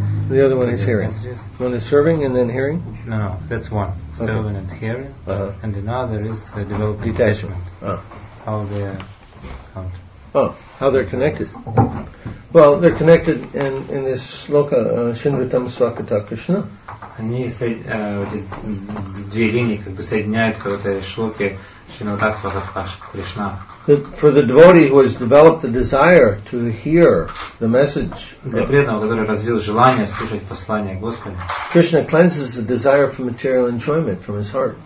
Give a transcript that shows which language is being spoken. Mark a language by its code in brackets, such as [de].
[en] The other one is hearing. Messages. One is serving and then hearing? No, that's one. Okay. Serving and hearing. Uh-huh. And another is developing detachment. How they count. Oh, how they're connected. Well, they're connected in this sloka, Shinvatam Svakata Krishna. [ru] Они две линии как бы соединяются в этой шлоке Шринатаксвакакришна. [en] For the devotee who has developed the desire to hear the message. [ru] Для преданного, который развил желание слушать послание Господа. [en] Krishna cleanses the desire for material enjoyment from his heart.